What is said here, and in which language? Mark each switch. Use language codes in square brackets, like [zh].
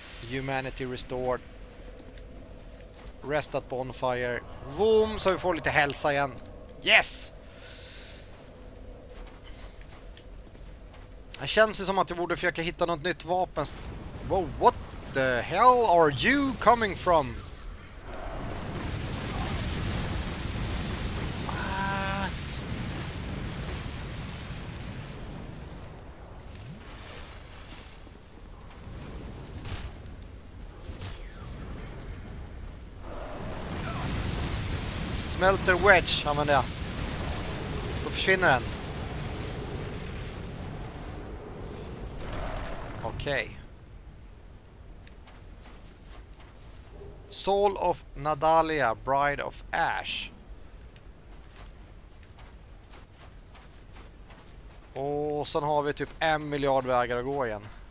[en] Humanity restored. Restat bonfire. [sv] Boom, så vi får lite hälsa igen. Yes! Det känns ju som att jag borde försöka hitta något nytt vapen. [en] Wow, what the hell are you coming from? What? [sv] Smelter wedge använder jag. Då försvinner den. Okej. Soul of Nadalia, Bride of Ash. Och sen har vi typ 1 miljard vägar att gå igen.